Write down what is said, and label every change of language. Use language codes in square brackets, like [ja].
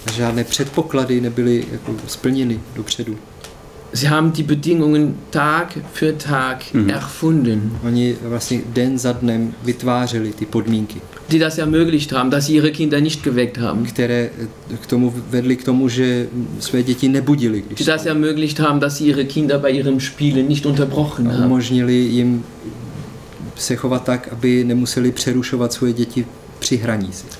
[cs] Žádné předpoklady nebyly jako splněny dopředu. [de] Sie haben die Bedingungen Tag für Tag erfunden. [cs] Oni vlastně den za dnem vytvářeli ty podmínky. [de] Die das ermöglicht haben, dass sie ihre Kinder nicht geweckt haben. [cs] Které k tomu vedli k tomu, že své děti nebudili. [de] Die spolu. Das ermöglicht haben, dass sie ihre Kinder bei ihrem Spielen nicht unterbrochen haben. [cs] Umožnili jim se chovat tak, aby nemuseli přerušovat svoje děti při hraní si.